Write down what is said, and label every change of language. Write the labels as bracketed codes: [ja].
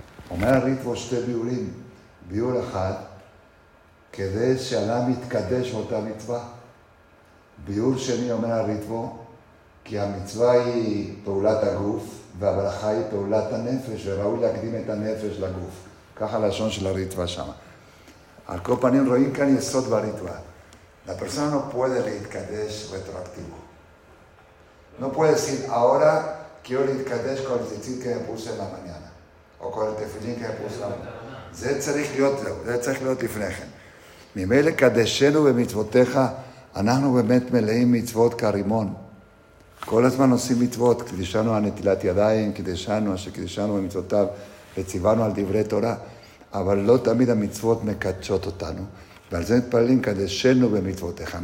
[he] אומר הריטבו שתי ביורים ביור אחד כדי שאלה מתקדש אותה מצווה ביור שני אומר הריטבו, כי המצווה היא פעולת הגוף, והברכה היא פעולת הנפש, וראוי להקדים את הנפש לגוף. ככה לשון של הריטבה שם. על כל פנים רואים כאן יסוד בריטבה. [es] La persona no puede להתקדש רטרואקטיבו. No puede decir, ahora quiero להתקדש con el tefilín que me puse en la mañana. או con el tefilín que me puse en la mañana. [he] זה צריך להיות לו, זה צריך להיות לפני כן. ממילא קדשנו במצוותיך, אנחנו באמת מלאים מצוות כרימון. כל הזמן עושים מצוות, קדישנו על נטילת ידיים, קדישנו אשר קדישנו במצוותיו, וציוונו על דברי תורה, אבל לא תמיד המצוות מקדשות אותנו, ועל זה מתפללים, קדשנו במצוותיך.